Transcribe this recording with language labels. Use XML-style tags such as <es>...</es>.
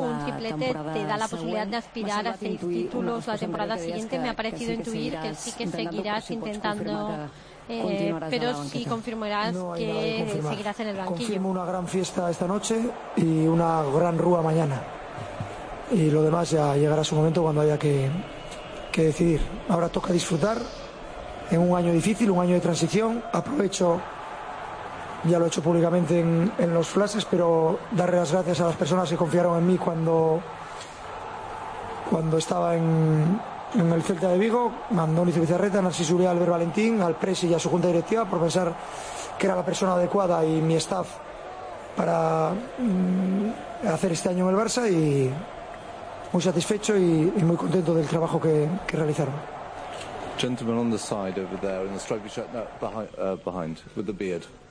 <ca>Un triplet te da la possibilitat d'aspirar a 6 títols la temporada siguiente.</ca> <es>Me ha parecido intuir que sí que seguirás intentando. Pero si confirmarás que seguirás en el banquillo. Confirmo una gran fiesta esta noche y una gran rúa mañana. Y lo demás ya llegará su momento cuando haya que decidir. Ahora toca disfrutar en un año difícil, un año de transición. Aprovecho, ya lo he hecho públicamente en los flashes, pero darle las gracias a las personas que confiaron en mí cuando estaba en el Celta de Vigo, a Andoni Zubizarreta, a Narcís Uria, a Albert Valentín, al presi y a su junta directiva por pensar que era la persona adecuada y mi staff para hacer este año en el Barça, y muy satisfecho y muy contento del trabajo que realizaron.</es> <en>Gentleman on the side over there in the striped shirt, no, behind with the beard.</en>